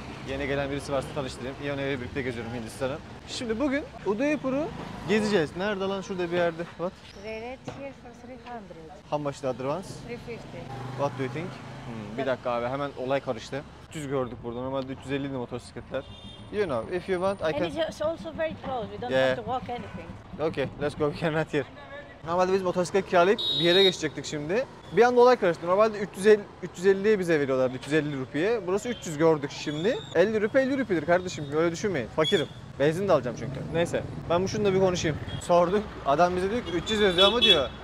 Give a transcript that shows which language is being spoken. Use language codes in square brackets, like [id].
[tr] Yeni gelen birisi varsa tanıştırayım. Iona'yla birlikte geziyorum Hindistan'ı. Şimdi bugün Udaipur'u gezeceğiz. Nerede lan? Şurada bir yerde. [en] What? Right here for 300. How much the advance? 350. What do you think? [tr] Bir dakika abi, hemen olay karıştı. 300 gördük burada. Normalde 350 idi motosikletler. [en] You know, if you want, I can... And it's also very close. We don't have to walk anything. Okay, let's go. We can rent here. [tr] Normalde biz motosiklet kiralayıp bir yere geçecektik şimdi. Bir anda olay karıştı. Normalde 350'ye bize veriyorlardı, 350 rupiye. Burası 300 gördük şimdi. 50 rupi 50 rupidir kardeşim, öyle düşünmeyin. Fakirim. Benzin de alacağım çünkü. Neyse, ben bu şunu da bir konuşayım. Sorduk, adam bize diyor ki 300 ödüyor ama diyor.